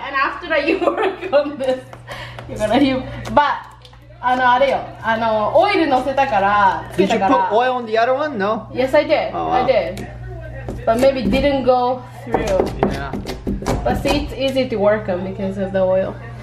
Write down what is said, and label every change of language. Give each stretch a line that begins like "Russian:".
English: And after that, you work on this. You're gonna use. But,
Japanese: あれよ。あの、オイル乗せたから、つけたから。
English: Did you put oil on the other one? No. Yes, I did. Oh, wow. I did. But maybe didn't go through. Yeah. But see, it's easy to work them because of the oil.